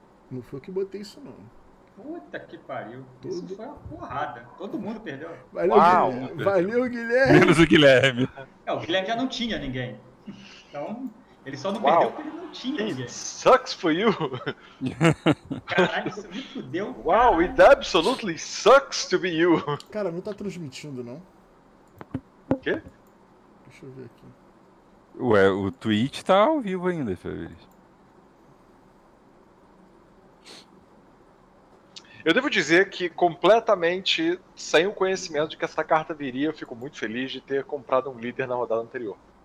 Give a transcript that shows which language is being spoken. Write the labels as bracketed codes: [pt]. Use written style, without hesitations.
[pt] Não foi eu que botei isso, não. Puta que pariu. Todo... Isso foi uma porrada. Todo mundo perdeu. Valeu, uau, valeu, Guilherme. Menos o Guilherme. É, o Guilherme já não tinha ninguém. Então... Ele só não perdeu porque ele não tinha. [en] It sucks for you. [pt] Caralho, isso me fudeu. [en] Uau, it absolutely sucks to be you. [pt] Cara, não tá transmitindo, não. O quê? Deixa eu ver aqui. Ué, o Twitch tá ao vivo ainda, Fabrício. Eu devo dizer que completamente sem o conhecimento de que essa carta viria, eu fico muito feliz de ter comprado um líder na rodada anterior.